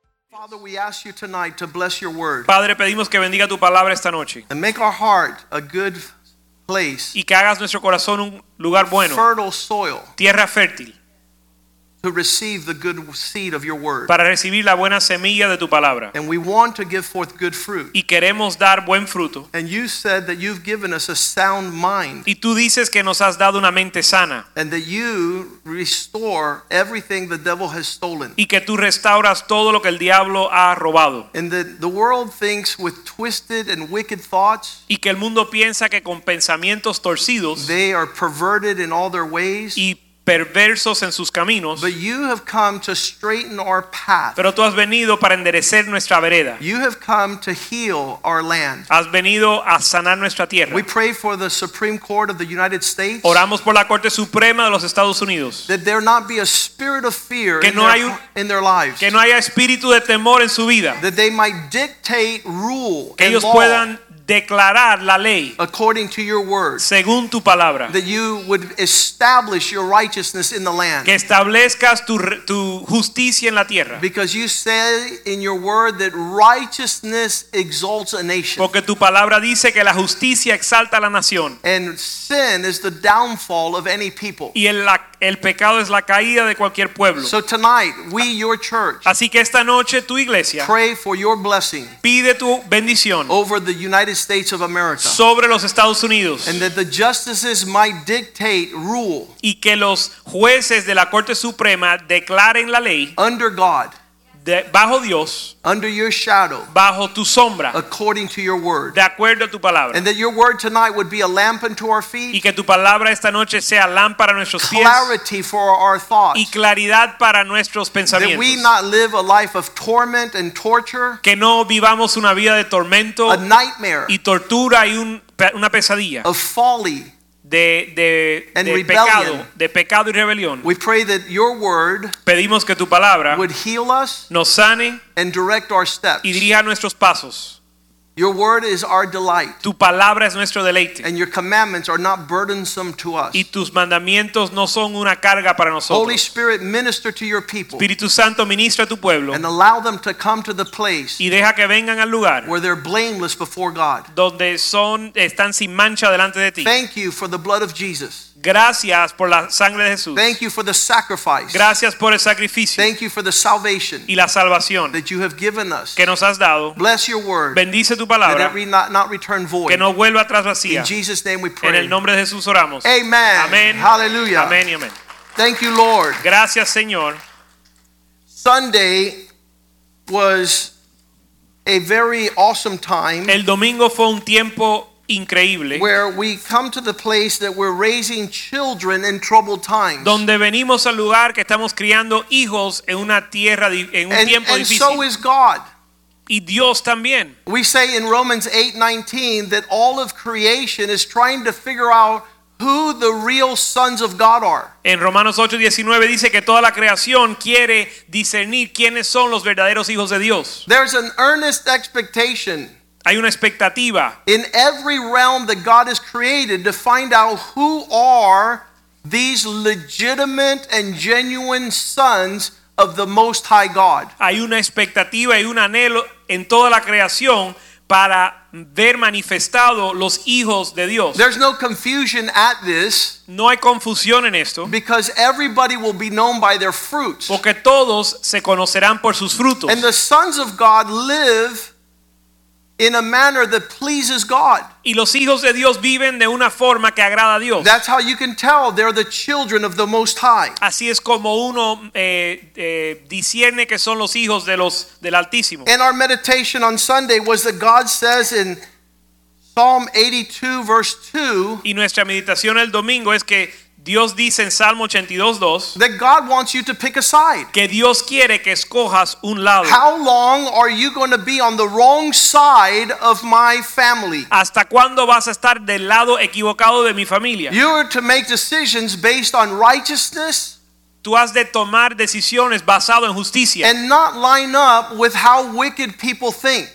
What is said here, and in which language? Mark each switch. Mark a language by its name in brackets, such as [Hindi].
[English] Father, we ask you tonight to bless your word. [Spanish] Padre, pedimos que bendiga tu palabra esta noche. [English] And make our heart a good place. [Spanish] Y que hagas nuestro corazón un lugar bueno. [English] Fertile soil. [Spanish] Tierra fértil. [English] To receive the good seed of your word. [Spanish] Para recibir la buena semilla de tu palabra. [English] And we want to give forth good fruit. [Spanish] Y queremos dar buen fruto. [English] And you said that you've given us a sound mind. [Spanish] Y tú dices que nos has dado una mente sana. [English] And that you restore everything the devil has stolen. [Spanish] Y que tú restauras todo lo que el diablo ha robado. [English] And that the world thinks with twisted and wicked thoughts. [Spanish] Y que el mundo piensa que con pensamientos torcidos. [English] They are perverted in all their ways. [Spanish] Y perversos en sus caminos. [English] But you have come to straighten our path. [Spanish] Pero tú has venido para enderezar nuestra vereda. [English] You have come to heal our land. [Spanish] Has venido a sanar nuestra tierra. [English] We pray for the Supreme Court of the United States. [Spanish] Oramos por la Corte Suprema de los Estados Unidos. [English] That there not be a spirit of fear in their lives. [Spanish] Que no haya espíritu de temor en su vida. [English] That they might dictate rule and law. [Spanish] Que ellos puedan declarar la ley [English] according to your word, [Spanish] según tu palabra, [English] that you would establish your righteousness in the land, [Spanish] que establezcas tu justicia en la tierra, [English] because you say in your word that righteousness exalts a nation, [Spanish] porque tu palabra dice que la justicia exalta a la nación, [English] and sin is the downfall of any people, [Spanish] y el pecado es la caída de cualquier pueblo. [English] So tonight we your church, [Spanish] así que esta noche tu iglesia, [English] pray for your blessing, [Spanish] pide tu bendición [English] over the United States of America, [Spanish] sobre los Estados Unidos, [English] and that the justices might dictate rule, [Spanish] y que los jueces de la Corte Suprema declaren la ley, [English] under God, [Spanish] bajo Dios, [English] under your shadow, [Spanish] bajo tu sombra, [English] according to your word, [Spanish] de acuerdo a tu palabra, [English] and that your word tonight would be a lamp unto our feet, [Spanish] y que tu palabra esta noche sea lámpara a nuestros pies, [English] clarity for our thoughts, [Spanish] y claridad para nuestros pensamientos, [English] that we not live a life of torment and torture, [Spanish] que no vivamos una vida de tormento, [English] a nightmare, [Spanish] y tortura y una pesadilla, [English] of folly, [Spanish] de pecado y rebelión. [English] We pray that your word, [Spanish] pedimos que tu palabra, [English] would heal us, [Spanish] nos sane, [English] and direct our steps, [Spanish] y dirija nuestros pasos. [English] Your word is our delight, [Spanish] tu palabra es nuestro deleite, [English] and your commandments are not burdensome to us, [Spanish] y tus mandamientos no son una carga para nosotros. [English] Holy Spirit, minister to your people, [Spanish] Espíritu Santo, ministra a tu pueblo, [English] and allow them to come to the place, [Spanish] y deja que vengan al lugar, [English] where they're blameless before God, [Spanish] donde están sin mancha delante de ti. [English] Thank you for the blood of Jesus. [Spanish] Gracias por la sangre de Jesús. [English] Thank you for the sacrifice. [Spanish] Gracias por el sacrificio. [English] Thank you for the salvation. [Spanish] Y la salvación. [English] That you have given us. [Spanish] Que nos has dado. [English] Bless your word. [Spanish] Bendice tu palabra. [English] That it not return void. [Spanish] Que no vuelva atrás vacía. [English] In Jesus' name we pray. [Spanish] En el nombre de Jesús oramos. [English] Amen. [Spanish] Amen. [English] Hallelujah. [Spanish] Amen y amen. [English] Thank you, Lord. [Spanish] Gracias, Señor. [English] Sunday was a very awesome time. [Spanish] El domingo fue un tiempo increíble, [English] where we come to the place that we're raising children in troubled times. [Spanish] Donde venimos al lugar que estamos criando hijos en una tierra en un tiempo [English] and [Spanish] difícil. [English] And so is God. [Spanish] Y Dios también. [English] We say in Romans 8:19 that all of creation is trying to figure out who the real sons of God are. [Spanish] En Romanos 8:19 dice que toda la creación quiere discernir quiénes son los verdaderos hijos de Dios. [English] There's an earnest expectation. [Spanish] Hay una expectativa. [English] In every realm that God has created to find out who are these legitimate and genuine sons of the Most High God. [Spanish] Hay una expectativa y un anhelo en toda la creación para ver manifestado los hijos de Dios. [English] There's no confusion at this. [Spanish] No hay confusión en esto. [English] Because everybody will be known by their fruits. [Spanish] Porque todos se conocerán por sus frutos. [English] And the sons of God live in a manner that pleases God. [Spanish] Y los hijos de Dios viven de una forma que agrada a Dios. [English] That's how you can tell they're the children of the Most High. [Spanish] Así es como uno discierne que son los hijos de del Altísimo. [English] And our meditation on Sunday was that God says in Psalm 82 verse 2. [Spanish] Y nuestra meditación el domingo es que Dios dice en Salmo 82:2 [English] that God wants you to pick a side. [Spanish] Que Dios quiere que escojas un lado. [English] How long are you going to be on the wrong side of my family? [Spanish] ¿Hasta cuándo vas a estar del lado equivocado de mi familia? [English] You are to make decisions based on righteousness. [Spanish] Tú has de tomar decisiones basado en justicia. [English] And not line up with how wicked people think.